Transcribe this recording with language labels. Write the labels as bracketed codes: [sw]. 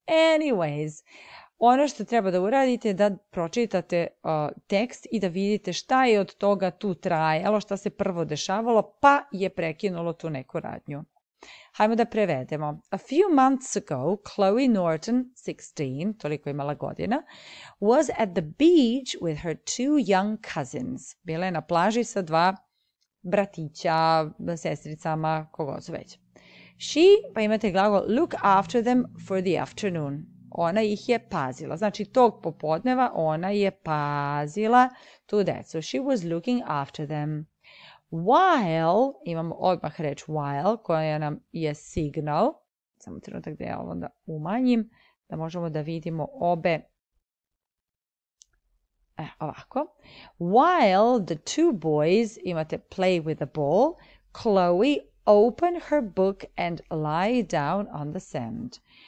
[sr] Anyways, ono što treba da uradite je da pročitate tekst i da vidite šta je od toga tu trajalo, šta se prvo dešavalo, pa je prekinulo tu neku radnju. Hajmo da prevedemo. [en] A few months ago, Chloe Norton, 16, [sr] toliko imala godina, [en] was at the beach with her two young cousins. [sr] Bila je na plaži sa dva bratića, sestricama, kogo su već. [en] She, [sr] pa imate glagol, [en] look after them for the afternoon. [sr] Ona ih je pazila. Znači, tog popodneva ona je pazila tu decu. [en] She was looking after them. [sr] While, imamo odmah reč while, koja nam je signal. Samo trenutak da ja ovo onda umanjim, da možemo da vidimo obe. Ovako. [en] While the two boys, imate play with a ball, Chloe open her book and lie down on the sand.